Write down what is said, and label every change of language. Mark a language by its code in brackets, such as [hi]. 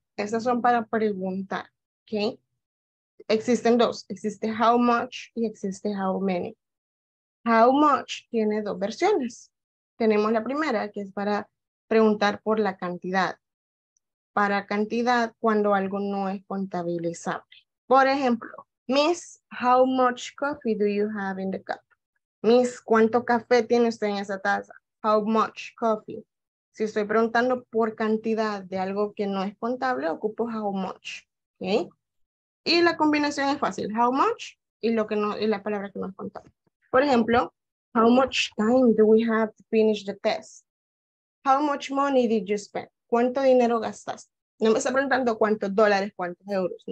[es] Estas son para preguntar, okay? Existen dos. Existe how much y existe how many. How much tiene dos versiones. Tenemos la primera, que es para preguntar por la cantidad. Para cantidad cuando algo no es contabilizable. Por ejemplo, [en] Miss, how much coffee do you have in the cup? [es] Miss, ¿cuánto café tiene usted en esa taza? [en] How much coffee? [es] Si estoy preguntando por cantidad de algo que no es contable, ocupo [en] how much, ¿okay? [es] Y la combinación es fácil, how much y lo que no, y la palabra que no es contable. Por ejemplo, [en] how much time do we have to finish the test? How much money did you spend? [es] ¿Cuánto dinero gastaste? No me está preguntando cuántos dólares, cuántos euros.